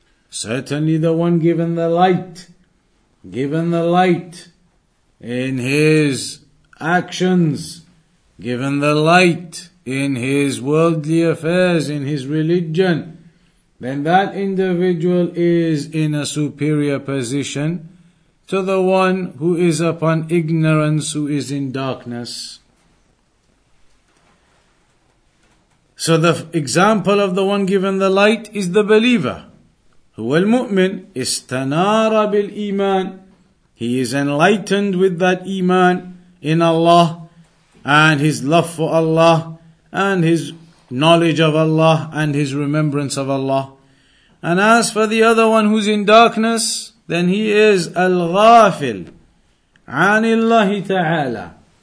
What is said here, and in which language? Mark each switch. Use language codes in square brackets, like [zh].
[en] Certainly the one given the light in his actions, given the light in his worldly affairs, in his religion, then that individual is in a superior position to the one who is upon ignorance, who is in darkness. So the example of the one given the light is the believer. [ar] هو المؤمن استنار بالإيمان. [en] He is enlightened with that iman in Allah and his love for Allah and his knowledge of Allah and his remembrance of Allah. And as for the other one who's in darkness, then he is [ar] al-ghafil anillahi ta'ala.